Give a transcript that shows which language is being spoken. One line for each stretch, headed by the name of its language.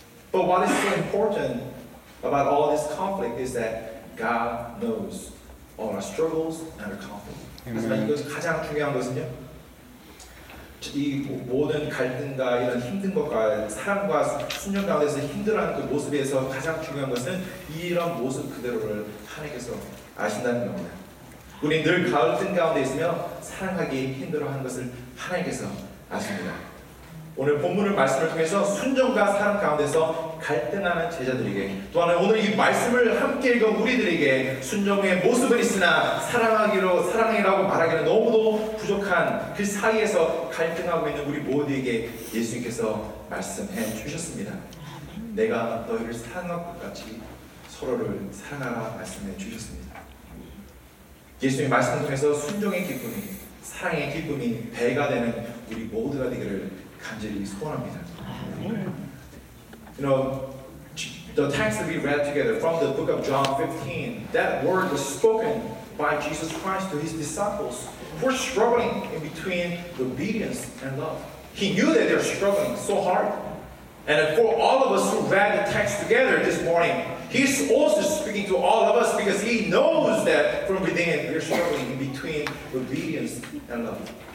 English: But what is so important about all this conflict is that God knows all our struggles and our conflict.
Korean: 하지만 이것 가장 중요한 것은요, 이 모든 갈등과 이런 힘든 것과 사람과 순정 가운데서 힘들어하는 그 모습에서 가장 중요한 것은 이런 모습 그대로를 하나님께서 아신다는 겁니다. 우리 늘 갈등 가운데 있으며 사랑하기 힘들어하는 것을 하나님께서 아십니다. 오늘 본문을 말씀을 통해서 순종과 사랑 가운데서 갈등하는 제자들에게 또한 오늘 이 말씀을 함께 읽은 우리들에게 순종의 모습은 있으나 사랑하기로 사랑이라고 말하기는 너무도 부족한 그 사이에서 갈등하고 있는 우리 모두에게 예수님께서 말씀해 주셨습니다. 내가 너희를 사랑할 것 같이 서로를 사랑하라 말씀해 주셨습니다. 예수님 말씀 통해서 순종의 기쁨이, 사랑의 기쁨이 배가 되는 우리 모두가 되기를 간절히 소원합니다.
English: You know, the text that we read together from the book of John 15, that word was spoken by Jesus Christ to his disciples who were struggling in between obedience and love. He knew that they were struggling so hard. And for all of us who read the text together this morning, He's also speaking to all of us because He knows that from within we're struggling in between obedience and love.